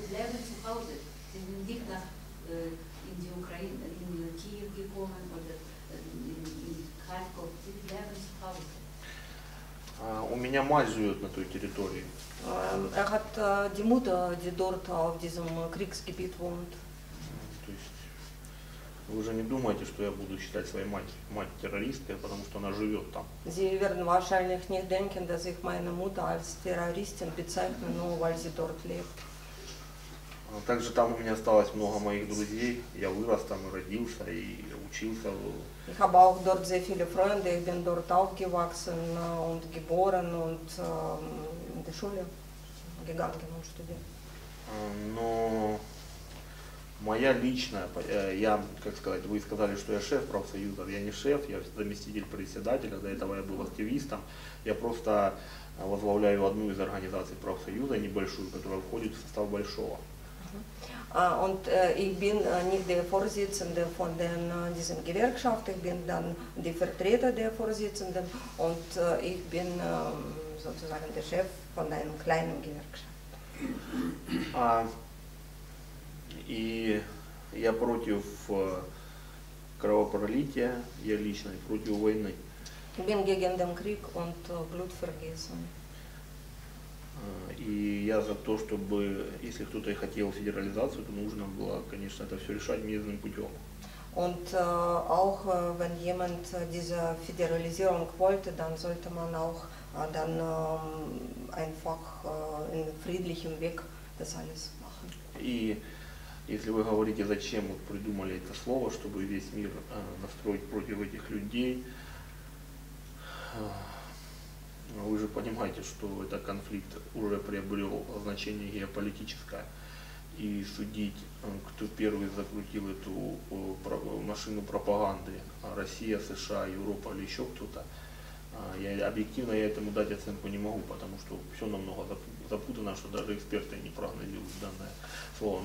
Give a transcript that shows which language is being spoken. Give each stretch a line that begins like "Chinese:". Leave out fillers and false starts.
German: Sie sind nicht nach in die Ukraine, in Kiew gekommen oder in Kharkov. Sie bleiben zu Hause.
Russian: У меня мать живет на той территории.
German: Er hat die Mutter, die dort auf diesem Kriegsgebiet wohnt.
Russian: То есть вы уже не думаете, что я буду считать своей мать террористкой, потому что она живет там.
German: Sie werden wahrscheinlich nicht denken, dass ich meine Mutter als Terroristin bezeichne, nur weil sie dort lebt.
Russian: Также там у меня осталось много моих друзей. Я вырос там, родился и учился.
German: Ich habe auch dort sehr viele Freunde. Ich bin dort aufgewachsen und geboren und in der Schule gegangen und studiert.
Russian: Но моя личная, я, как сказать, вы сказали, что я шеф профсоюза. Я не шеф, я заместитель председателя. До этого я был активистом. Я просто возглавляю одну из организаций профсоюза, небольшую, которая входит в состав большого.
German: Und ich bin nicht der Vorsitzende von dieser Gewerkschaft, ich bin dann der Vertreter der Vorsitzenden und ich bin sozusagen der Chef von einer kleinen Gewerkschaft.
Russian: И я против кровопролития, я лично против войны.
German: Ich bin gegen den Krieg und Blutvergießen.
Russian: И я за то, чтобы, если кто-то и хотел федерализацию, то нужно было, конечно, это все решать мирным путем.
German: Und auch wenn jemand diese Föderalisierung wollte, dann sollte man auch dann einfach in friedlichem Weg das alles machen.
Russian: И если вы говорите, зачем вот придумали это слово, чтобы весь мир настроить против этих людей, вы же понимаете, что этот конфликт уже приобрел значение геополитическое. И судить, кто первый закрутил эту машину пропаганды, Россия, США, Европа или еще кто-то, я объективно я этому дать оценку не могу, потому что все намного запутано, что даже эксперты не прогнозируют данное слово.